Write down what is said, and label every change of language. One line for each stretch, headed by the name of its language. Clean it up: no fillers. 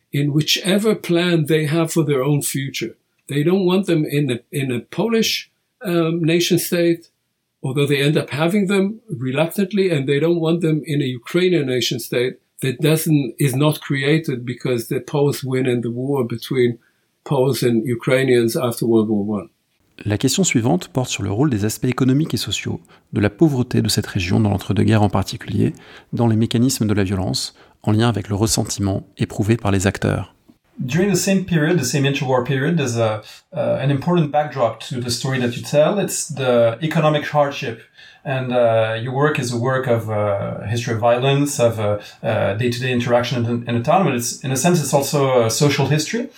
English: in whichever plan they have for their own future. They don't want them in a Polish nation state, although they end up having them reluctantly, and they don't want them in a Ukrainian nation state that is not created because the Poles win in the war between Poles and Ukrainians after World War I.
French: La question suivante porte sur le rôle des aspects économiques et sociaux, de la pauvreté de cette région dans l'entre-deux-guerres en particulier, dans les mécanismes de la violence, en lien avec le ressentiment éprouvé par les acteurs.
English: During the same period, the same interwar period, there's an important backdrop to the story that you tell. It's the economic hardship. And your work is a work of history of violence, of day-to-day interaction in a town, but it's, in a sense, it's also a social history.